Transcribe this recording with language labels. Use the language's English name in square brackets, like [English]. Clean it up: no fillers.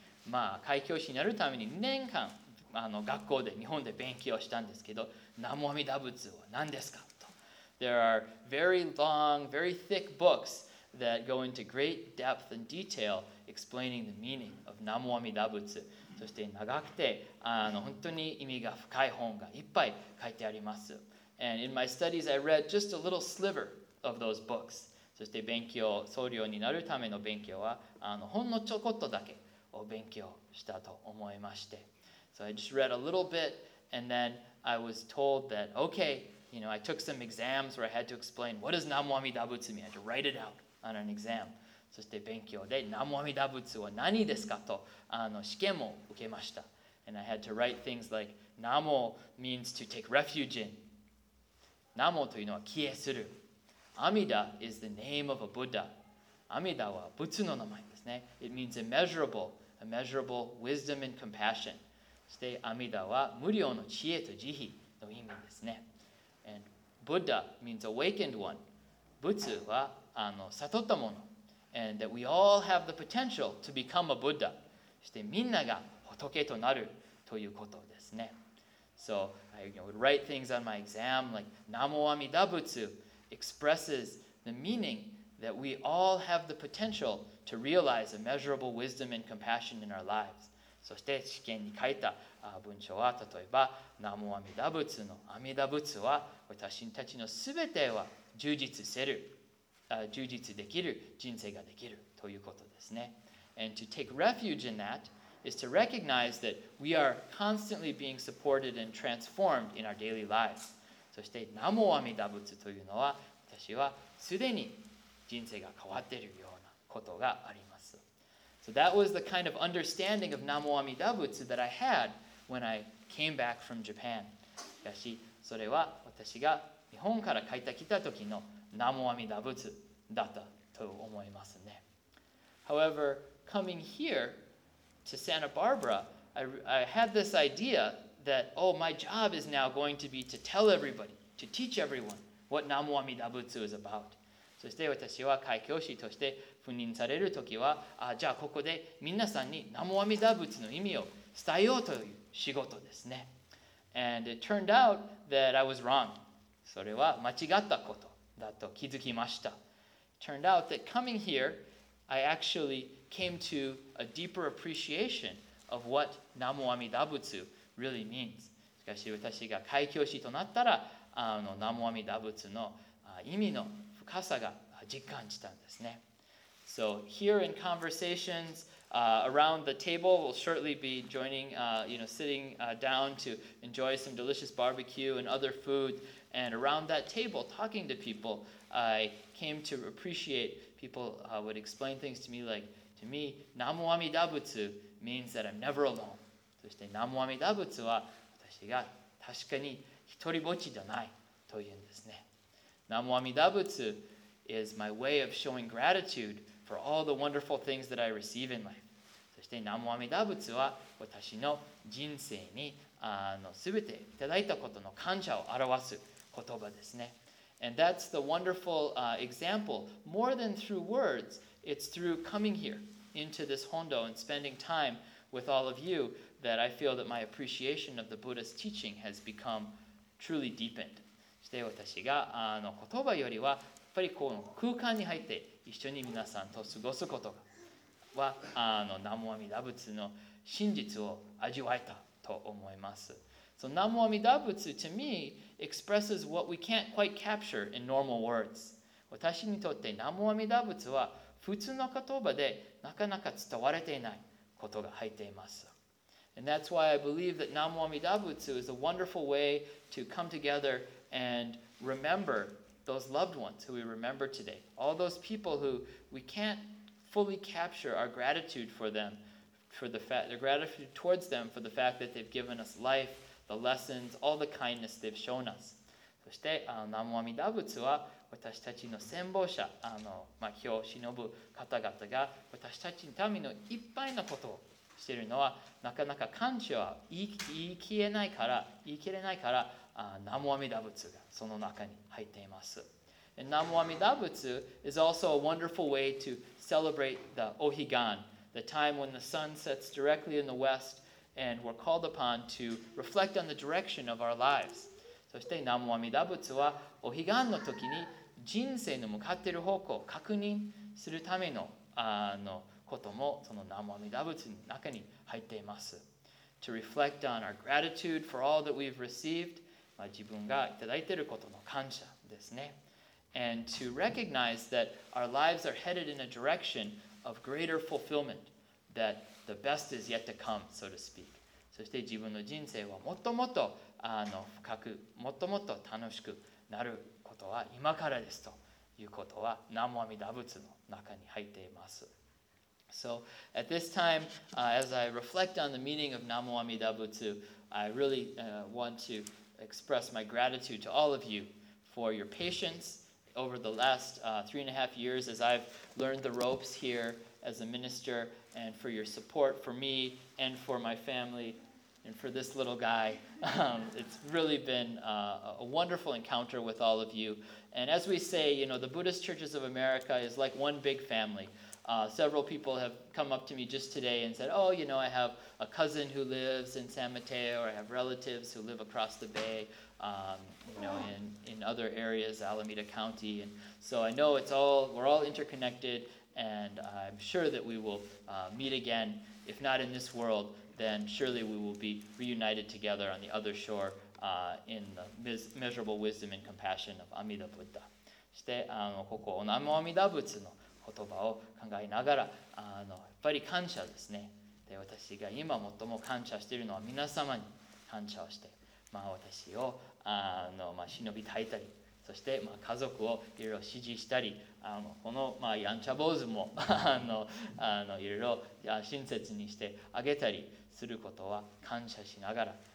[Japanese] まあ、開教師になるために2年間学校で日本で勉強したんですけど、Namo Amida Butsu は何ですかと。 [English] There are very long, very thick books that go into great depth and detail explaining the meaning of Namo Amida Butsu. [Japanese] そして長くて本当に意味が深い本がいっぱい書いてあります。 [English] And in my studies, I read just a little sliver of those books. [Japanese] そして勉強、僧侶になるための勉強はほんのちょこっとだけを勉強したと思いまして。 [English] So I just read a little bit, and then I was told that, okay, you know, I took some exams where I had to explain what does Namo Amida Butsu mean? I had to write it out on an exam. [Japanese] そして勉強で南無阿弥陀仏は何ですかと試験も受けました。 [English] And I had to write things like, Namo means to take refuge in. [Japanese] Namo というのは帰依する。 [English] Amida is the name of a Buddha. [Japanese] Amida は仏の名前ですね。 [English] It means immeasurable, immeasurable wisdom and compassion. [Japanese] そして Amida は無量の知恵と慈悲の意味ですね。 [English] And Buddha means awakened one. [Japanese] 仏は悟ったもの。 [English] And that we all have the potential to become a Buddha. [Japanese] そしてみんなが仏となるということですね。 [English] So I would write things on my exam like Namo Amida Butsu expresses the meaning that we all have the potential to realize a measurable wisdom and compassion in our lives. [Japanese] そして試験に書いた文章は例えば Namo Amida Butsu の阿弥陀仏は私たちのすべては充実せる。充実できる人生ができるということですね。 [English] And to take refuge in that is to recognize that we are constantly being supported and transformed in our daily lives. [Japanese] そして、ナモアミダブツというのは、私はすでに人生が変わっているようなことがあります。 [English] So that was the kind of understanding of ナモアミダブツ that I had when I came back from Japan. [Japanese] しかし、それは私が日本から帰ってきた時の南無阿弥陀仏だったと思いますね。 [English] However, coming here to Santa Barbara, I had this idea that, oh, my job is now going to be to tell everybody, to teach everyone what 南無阿弥陀仏 is about. [Japanese] そして私は開教師として赴任される時は、あ、じゃあここで皆さんに南無阿弥陀仏の意味を伝えようという仕事ですね。 [English] And it turned out that I was wrong. [Japanese] それは間違ったことだと気づきました。 [English] Turned out that coming here, I actually came to a deeper appreciation of what 南無阿弥陀仏 really means. [Japanese] しかし私が開教師となったら、あの南無阿弥陀仏の意味の深さが実感したんですね。 [English] So here in conversations, around the table, we'll shortly be joining, you know, sitting down to enjoy some delicious barbecue and other food. And around that table, talking to people, I came to appreciate people would explain things to me like, to me, 南無阿弥陀仏 means that I'm never alone. [Japanese] そして南無阿弥陀仏は私が確かに一人ぼっちじゃないというんですね。 [English] 南無阿弥陀仏 is my way of showing gratitude for all the wonderful things that I receive in life. [Japanese] そして南無阿弥陀仏は私の人生にあの全ていただいたことの感謝を表す言葉ですね。 [English] And that's the wonderful example. More than through words, it's through coming here into this hondo and spending time with all of you that I feel that my appreciation of the Buddha's teaching has become truly deepened. [Japanese] そして私があの言葉よりはやっぱりこの空間に入って一緒に皆さんと過ごすことがはあの南無阿弥陀仏の真実を味わえたと思います。 [English] So 南無阿弥陀仏 to me expresses what we can't quite capture in normal words. [Japanese] 私にとって南無阿弥陀仏は普通の言葉でなかなか伝われていないことが入っています。 [English] And that's why I believe that 南無阿弥陀仏 is a wonderful way to come together and rememberthose loved ones who we remember today, all those people who we can't fully capture our gratitude for them, for the fact, their gratitude towards them for the fact that they've given us life, the lessons, all the kindness they've shown us. [Japanese] そして、南無阿弥陀仏は私たちの先方者、あの、まあ、日を忍ぶ方々が私たちのためのいっぱいのことをしているのは、なかなか感謝は言い切れないから、南無阿弥陀仏がその中に入っています。 [English] And 南無阿弥陀仏 is also a wonderful way to celebrate the Ohigan, the time when the sun sets directly in the west and we're called upon to reflect on the direction of our lives. [Japanese] そして南無阿弥陀仏はお彼岸の時に人生の向かっている方向を確認するため の, あのこともその南無阿弥陀仏の中に入っています。 [English] To reflect on our gratitude for all that we've received, [Japanese] まあ、自分がいただいていることの感謝ですね。 [English] And to recognize that our lives are headed in a direction of greater fulfillment, that the best is yet to come, so to speak. [Japanese] そして自分の人生はもっともっとあの深く、もっともっと楽しくなることは今からですということは南無阿弥陀仏の中に入っています。 [English] So at this time, as I reflect on the meaning of 南無阿弥陀仏, I really want toExpress my gratitude to all of you for your patience over the last three and a half years as I've learned the ropes here as a minister and for your support for me and for my family and for this little guy. It's really been a wonderful encounter with all of you. And as we say, you know, the Buddhist Churches of America is like one big family. Several people have come up to me just today and said, oh, you know, I have a cousin who lives in San Mateo, or I have relatives who live across the bay, you know, in other areas, Alameda County. And so I know it's all, we're all interconnected, and I'm sure that we will meet again. If not in this world, then surely we will be reunited together on the other shore in the measurable wisdom and compassion of Amida Buddha. [Japanese] そして、ここ、南無阿弥陀仏の言葉を考えながらあのやっぱり感謝ですね。で私が今最も感謝しているのは皆様に感謝をして、まあ、私をあの、まあ、忍び耐えたりそして、まあ、家族をいろいろ支持したりあのこの、まあ、やんちゃ坊主もあのいろいろ親切にしてあげたりすることは感謝しながら